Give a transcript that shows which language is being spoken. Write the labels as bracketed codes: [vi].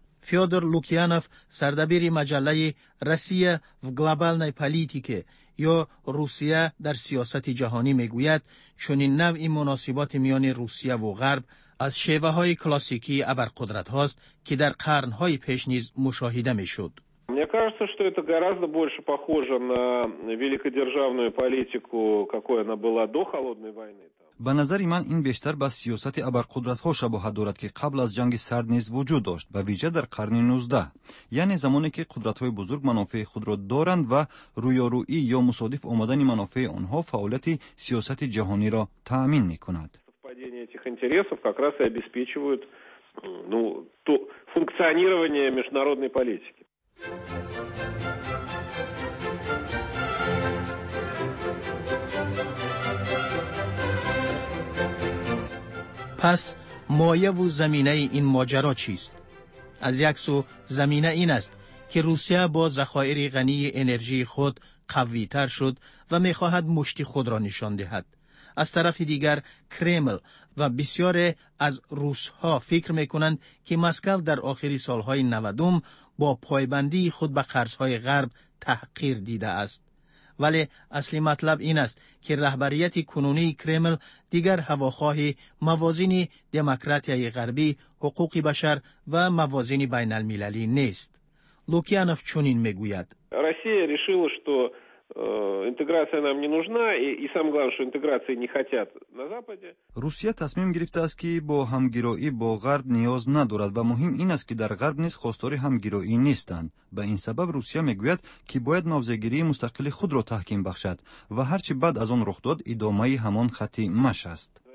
[fa] فیودر لوکیانوف سردبیر مجله روسیه و گلوبالنای پلیتیک یا روسیه در سیاست جهانی میگوید چنین نوع مناسبات میان روسیه و غرب از شیوه های کلاسیکی ابرقدرت هاست که در قرن های پیش نیز مشاهده میشد. [ru] Мне кажется, что это гораздо больше похоже на великодержавную политику, какой она была до холодной войны. [fa] به نظر من این بیشتر به سیاست ابرقدرت ها شباهت دارد که قبل از جنگ سرد نیز وجود داشت، به ویژه در قرن 19، یعنی زمانی که قدرت های بزرگ منافع خود را دارند و رویارویی یا مصادف آمدن منافع آنها فعالیت سیاست جهانی را تامین می کند. [ru] совпадение этих интересов как раз и обеспечивают то функционирование международной политики. [fa] پس مایه و زمینه این ماجرا چیست؟ از یک سو زمینه این است که روسیه با ذخایر غنی انرژی خود قوی تر شد و می خواهد مشتی خود را نشان دهد. از طرف دیگر کرمل و بسیار از روسها فکر می کنند که مسکو در آخری سالهای 90 با پایبندی خود به قرضهای غرب تحقیر دیده است. ولی اصلی مطلب این است که رهبریت کنونی کرمل دیگر هواخواه موازین دموکراتیای غربی، حقوق بشر و موازین بین المللی نیست. لوکیانوف چنین میگوید: [ru] روسیه решила, что интеграция нам не нужна и самое главное, что интеграции не хотят на западе. [tg] Русия тасмим гирифта аст ки бо хамгироӣ бо ғарб ниёз надорад ва муҳим ин аст ки дар ғарб низ хостори хамгироӣ нестанд. Ба ин сабаб Русия мегӯяд ки бояд мавзегирии мустақили худро таҳким бахшад ва ҳар чи баъд аз он рух дод идомаи ҳамон хати маш аст.